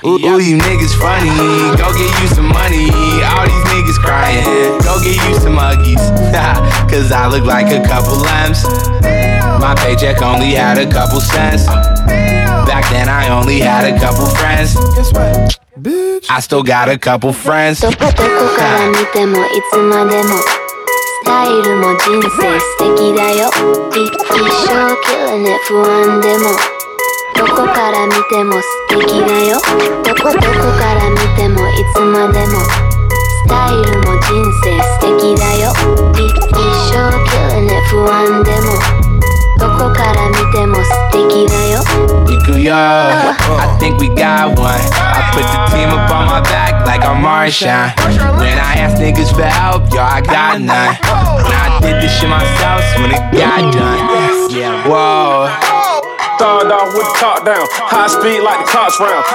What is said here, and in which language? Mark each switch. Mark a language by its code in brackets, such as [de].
[en] Ooh, you niggas funny, go get you some money. All these niggas crying, go get you some muggies. Cause I look like a couple M's. My paycheck only had a couple cents. Back then I only had a couple friends. Guess what? Bitch, I still got a couple friends. [ja] どこどこから見てもいつまでもスタイルも人生素敵だよ。一生キレね不安でもどこから見ても素敵だよ。どこどこから見てもいつまでもスタイルも人生素敵だよ。一生キレね不安でもどこから見ても素敵だよ。 [en] I think we got one. I put the team up on my back like I'm Marshawn. When I ask niggas for help, yo, I got none. When I did this shit myself, so when it got done. Yeah, whoa. Thawed off with the top down. High speed like the cops round.